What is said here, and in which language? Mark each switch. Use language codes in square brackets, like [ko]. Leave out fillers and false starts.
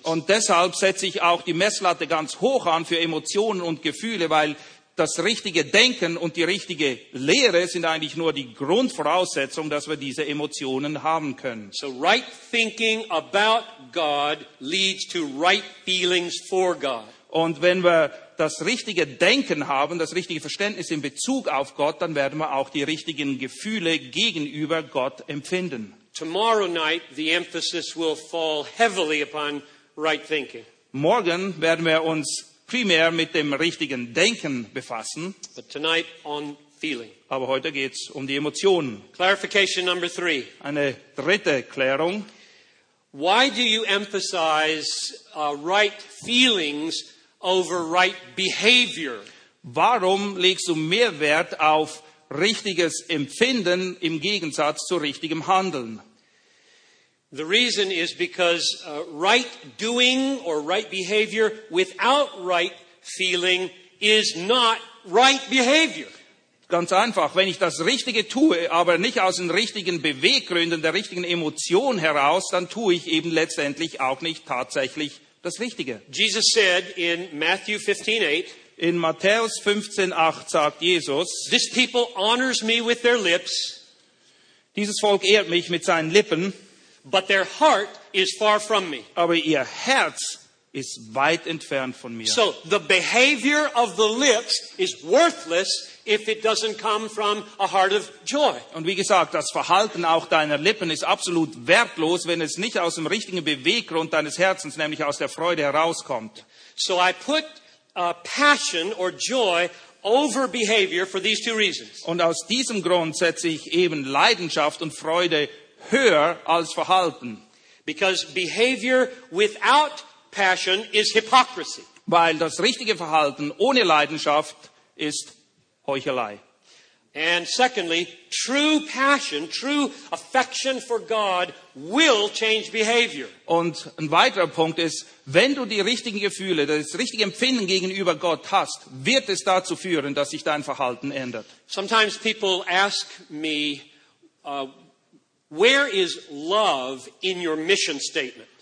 [de] Und deshalb setze ich auch die Messlatte ganz hoch an für Emotionen und Gefühle, weil das richtige Denken und die richtige Lehre sind eigentlich nur die Grundvoraussetzung, dass wir diese Emotionen haben können. [en] So right thinking about God leads to right feelings for God. [de] Und wenn wir das richtige Denken haben, das richtige Verständnis in Bezug auf Gott, dann werden wir auch die richtigen Gefühle gegenüber Gott empfinden. [en] Tomorrow night the emphasis will fall heavily upon right thinking. [de] Morgen werden wir uns primär mit dem richtigen Denken befassen. [en] But tonight on feeling. [de] Aber heute geht's um die Emotionen. [en] Clarification number three. [de] Eine dritte Klärung. [en] Why do you emphasize right feelings over right behavior? [de] Warum legst du mehr Wert auf richtiges Empfinden im Gegensatz zu richtigem Handeln? [en] The reason is because right doing or right behavior without right feeling is not right behavior. [de] Ganz einfach, wenn ich das Richtige tue, aber nicht aus den richtigen Beweggründen, der richtigen Emotion heraus, dann tue ich eben letztendlich auch nicht tatsächlich das Richtige. [en] Jesus said in Matthew 15:8, [de] in Matthäus 15:8 sagt Jesus, [en] this people honors me with their lips. [de] Dieses Volk ehrt mich mit seinen Lippen. [en] But their heart is far from me. [de] Aber ihr Herz ist weit entfernt von mir. [en] So the behavior of the lips is worthless if it doesn't come from a heart of joy. [de] Und wie gesagt, das Verhalten auch deiner Lippen ist absolut wertlos, wenn es nicht aus dem richtigen Beweggrund deines Herzens, nämlich aus der Freude herauskommt. [en] So I put a passion or joy over behavior for these two reasons. [de] Und aus diesem Grund setze ich eben Leidenschaft und Freude höher als Verhalten. [en] Because behavior without passion is hypocrisy. [de] Weil das richtige Verhalten ohne Leidenschaft ist Heuchelei. [en] And secondly, true passion, true affection for God will change behavior. [de] Und ein weiterer Punkt ist, wenn du die richtigen Gefühle, das richtige Empfinden gegenüber Gott hast, wird es dazu führen, dass sich dein Verhalten ändert. [en] Sometimes people ask me, where is love in your mission statement?